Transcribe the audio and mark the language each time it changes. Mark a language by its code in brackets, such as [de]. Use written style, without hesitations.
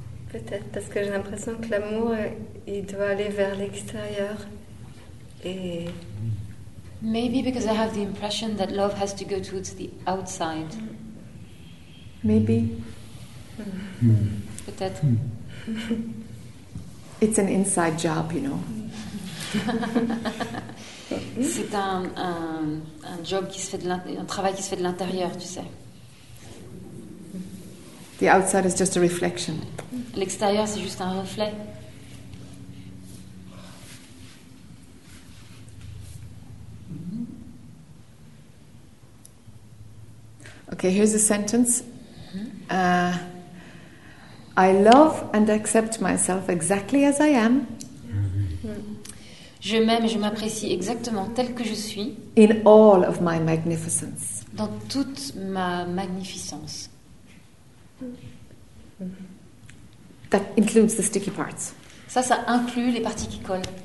[fr] Peut-être parce que j'ai l'impression que l'amour il doit aller vers l'extérieur et. [en] Maybe because I have the impression that love has to go towards the outside. Maybe. [fr] Peut-être. [en] It's an inside job, you know. [fr] C'est un job qui se fait un travail qui se fait de l'intérieur, tu sais. [en] The outside is just a reflection. [fr] L'extérieur, c'est juste un reflet. Mm-hmm. [en] Okay, here's a sentence. I love and accept myself exactly as I am. [fr] Je m'aime et je m'apprécie exactement tel que je suis. [en] In all of my magnificence. [fr] Dans toute ma magnificence. [en] That includes the sticky parts. [fr] Ça, ça inclut les parties qui collent.